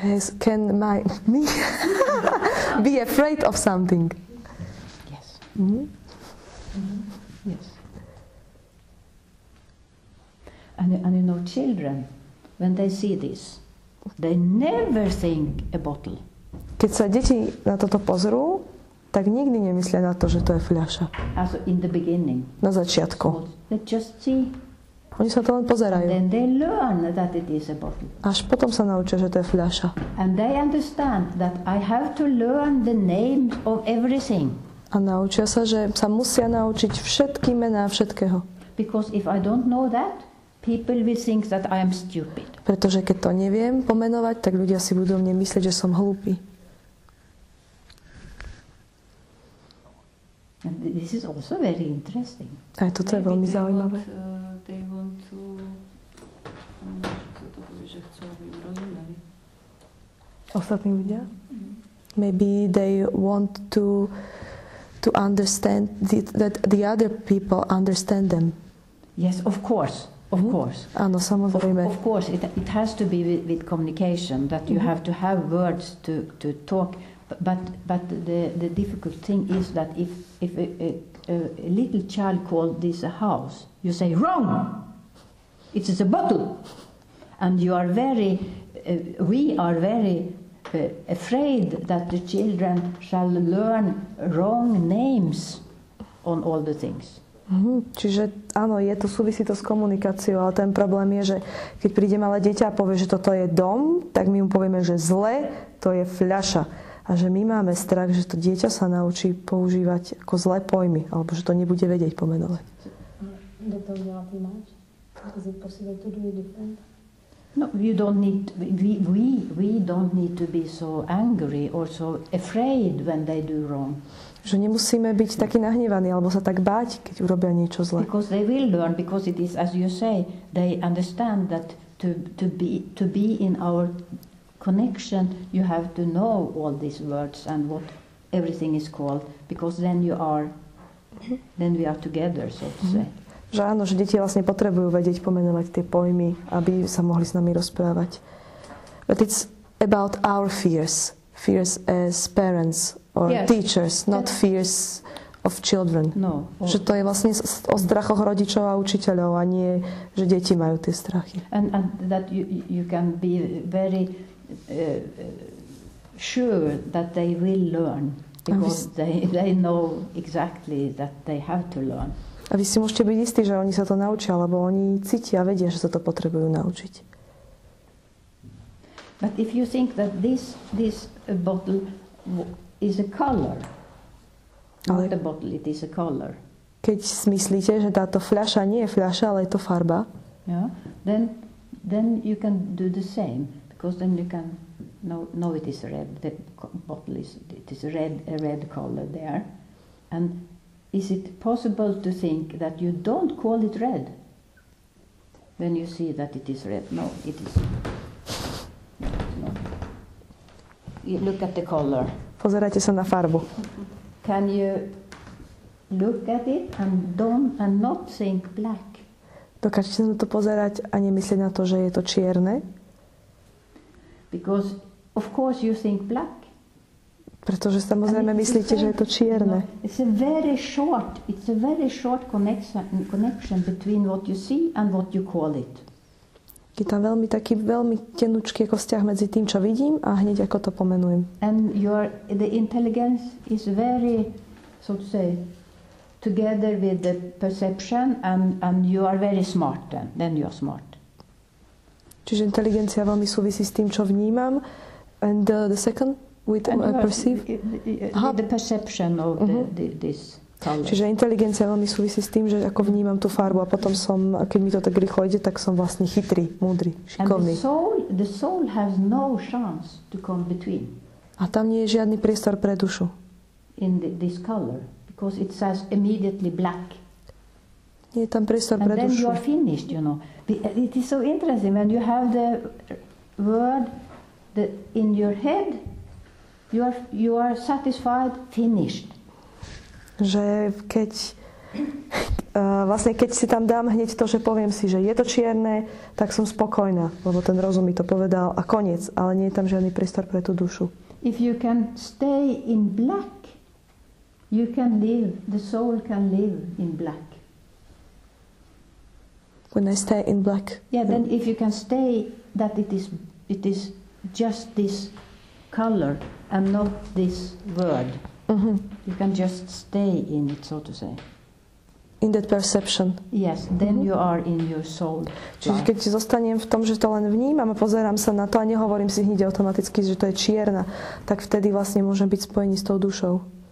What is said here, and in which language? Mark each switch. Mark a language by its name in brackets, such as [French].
[English] Can my me be afraid of something? Yes. Mm-hmm. Mm-hmm. Yes. And you know, children, when they see this, they never think a bottle. [Slovak] Keď sa deti na toto pozrú, tak nikdy nemyslia na to, že to je fľaša. [English] Also in the beginning. [Slovak] Na začiatku. [English] They just see. [Slovak] Oni sa to len pozerajú. [English] Then they learn that it is a bottle. [Slovak] Až potom sa naučia, že to je fľaša. [English] And they understand that I have to learn the name of everything. [Slovak] A naučia sa, že sa musia naučiť všetky mená všetkého. [English] Because if I don't know that, people will think that I am stupid. [Slovak] Pretože keď to neviem pomenovať, tak ľudia si budú o mne myslieť, že som hlúpy. [English] And this is also very interesting. [Slovak] A toto je veľmi zaujímavé. Ostatní ľudia? [English] Maybe they want to understand that the other people understand them. Yes, of course. Of course. [Slovak] Áno, samozrejme. [English] Of course, it has to be with communication that you have to have words to talk, but the difficult thing is that if a little child called this a house, you say wrong. It is a bottle. And you are very afraid that the children shall learn wrong names on all the things. Mm-hmm. [Slovak] Čiže áno, je to súvisí to s komunikáciou, ale ten problém je, že keď príde malé dieťa a povie, že toto je dom, tak my mu povieme, že zle, to je fľaša. A že my máme strach, že to dieťa sa naučí používať ako zlé pojmy, alebo že to nebude vedieť pomenovať. Do toho dela tlumáč? [English] Is it possible to do it different? No, we don't need to be so angry or so afraid when they do wrong. [Slovak] Že nemusíme byť taký nahnevaní alebo sa tak báť, keď urobia niečo zle. [English] Because they will learn, because it is as you say, they understand that to be in our connection, you have to know all these words and what everything is called, because then you are, then we are together, so to say. [Slovak] Že áno, že deti vlastne potrebujú vedieť pomenovať tie pojmy, aby sa mohli s nami rozprávať. [English] But it's about our fears. Fears as parents or yes. teachers, not fears of children. No. [Slovak] Že to je vlastne o strachoch rodičov a učiteľov, a nie, že deti majú tie strachy. [English] And that you can be very sure that they will learn, because they know exactly that they have to learn. [Slovak] A vy si môžete byť istí, že oni sa to naučia, lebo oni cítia a vedia, že sa to potrebujú naučiť. [English] But if you think that this bottle is a color, ale not a bottle, it is a color. [Slovak] Keď si myslíte, že táto fľaša nie je fľaša, ale je to farba. [English] Yeah, then you can do the same, because then you can know it is red, the bottle is, it is red, a red color there. And is it possible to think that you don't call it red when you see that it is red? No, it is. No. You look at the color. [Slovak] Pozeráte sa na farbu. [English] Can you look at it and not think black? [Slovak] Dokážete sa na to pozerať a nemyslieť na to, že je to čierne? [English] Because of course you think black. [Slovak] Pretože samozrejme myslíte, že je to čierne. [English] You know, it's a very short connection between what you see and what you call it. [Slovak] Je tam veľmi taký veľmi tenučký ako vzťah medzi tým, čo vidím, a hneď ako to pomenujem. [English] And the intelligence is very, so to say, together with the perception, and you are very smart then you are smart. Čiže inteligencia veľmi súvisí s tým, čo vnímam. And the second with a perceive the perception of this color. [Slovak] Čiže inteligencia veľmi súvisí s tým, že ako vnímam tú farbu, a potom som, keď mi to tak rýchlo ide, tak som vlastne chytrý, múdry, šikovný. [English] And the soul has no chance to come between. [Slovak] A tam nie je žiadny priestor pre dušu. [English] In this color, because it says immediately black. [Slovak] Nie je tam priestor [English] and [Slovak] pre dušu. [English] And then you are finished, you know. It is so interesting when you have the word that in your head. You are satisfied, finished. [Slovak] Že keď vlastne keď si tam dám hneď to, že poviem si, že je to čierne, tak som spokojná, lebo ten rozum mi to povedal a koniec, ale nie je tam žiadny priestor pre tú dušu. [English] If you can stay in black, you can live, the soul can live in black. When I stay in black. Yeah, then if you can stay that it is just this color and not this word. Mm-hmm. You can just stay in it, so to say. In that perception. Yes, then you are in your soul. [Slovak] Čiže keď zostanem v tom, že to len vnímam a pozerám sa na to a nehovorím si hneď automaticky, že to je čierna, tak vtedy vlastne môžem byť spojený s tou dušou.